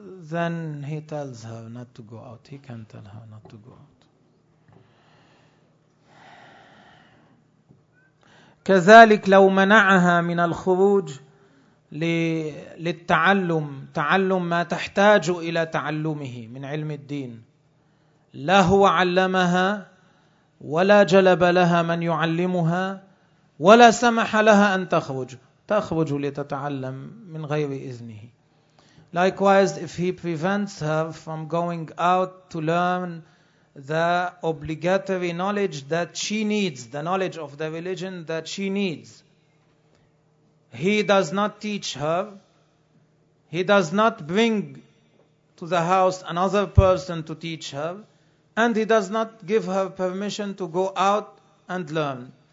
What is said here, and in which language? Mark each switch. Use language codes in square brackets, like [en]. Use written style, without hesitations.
[en] then he tells her not to go out. He can tell her not to go out. [ar] كذلك لو منعها من الخروج للتعلم تعلم ما تحتاج إلى تعلمه من علم الدين لا هو علمها ولا جلب لها من يعلمها ولا سمح لها أن تخرج تخرج لتتعلم من غير إذنه. [en] Likewise, if he prevents her from going out to learn the obligatory knowledge that she needs, the knowledge of the religion that she needs, he does not teach her, he does not bring to the house another person to teach her, and he does not give her permission to go out and learn.